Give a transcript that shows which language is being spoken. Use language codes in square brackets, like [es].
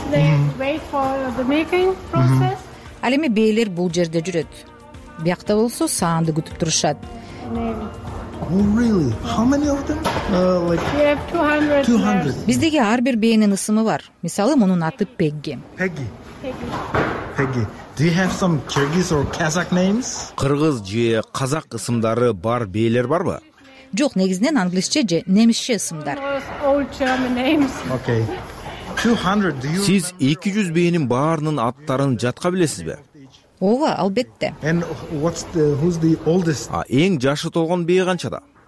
[en] They wait for the milking process. [ky] Ал эми бээлер бул жерде жүрөт. Биякта болсо саанды күтүп турушат. [en] Oh really? How many of them? We have 200. 200. [ky] Биздеги ар бир бээнин ысымы бар. Мисалы, мунун аты Пегги. Пегги. Пегги. [en] Do you have some Kyrgyz or Kazakh names? [ky] Кыргыз же казак ысымдары бар бээлер барбы? Жок, негизинен англисче же немисче ысымдар. [en] Old German names. Okay. 200. Do you [ky] Сиз 200 бээнин баарынын аттарын жатка билесизби? Ова, албетте. Эң жашы толгон бээ канчада?